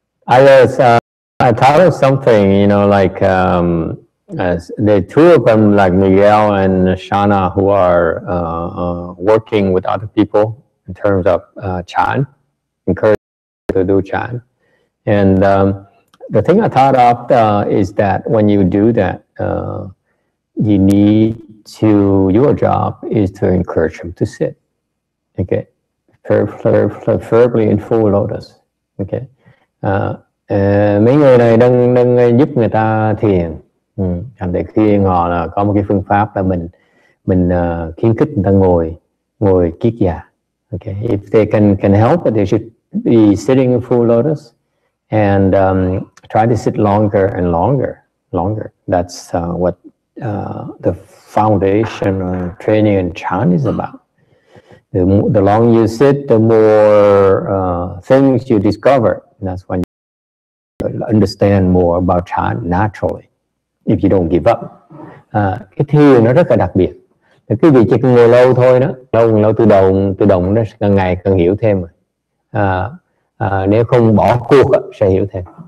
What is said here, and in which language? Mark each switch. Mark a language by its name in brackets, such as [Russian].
[English] I thought of something, you know, like as the two of them, like Miguel and Shana, who are working with other people in terms of Chan, encouraging people to do Chan. And the thing I thought of is that when you do that, you need to, your job is to encourage them to sit, okay? Preferably in full lotus, okay? [Vietnamese] Mấy người này đang giúp người ta thiền. Thành để khi họ là có một cái phương pháp là mình khuyến khích người ta ngồi kikya, okay? [English] If they can help, they should be sitting in full lotus. And try to sit longer and longer. That's what the foundation of training in Chan is about. The longer you sit, the more things you discover. And that's when you understand more about Chan naturally, if you don't give up. [Vietnamese] Cái thiền nó rất là đặc biệt. Cái việc chỉ cần ngồi lâu thôi đó, lâu tự động nó càng ngày càng hiểu thêm rồi. Nếu không bỏ cuộc sẽ hiểu thêm.